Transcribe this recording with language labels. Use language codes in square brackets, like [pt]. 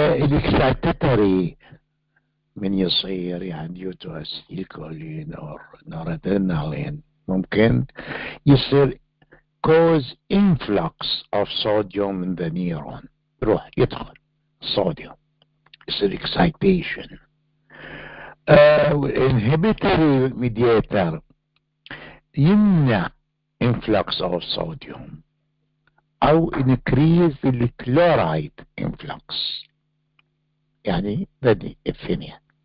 [ar] الاكسايتاتري من يصير يعني [en] due to acetylcholine or noradrenaline [ar] ممكن يصير [en] cause influx of sodium in the neuron. [ar] روح يدخل sodium يصير excitation. [en] Inhibitory mediator [ar] يمنع [en] influx of sodium أو increase the chloride influx [ar] يعني بدي الثانية.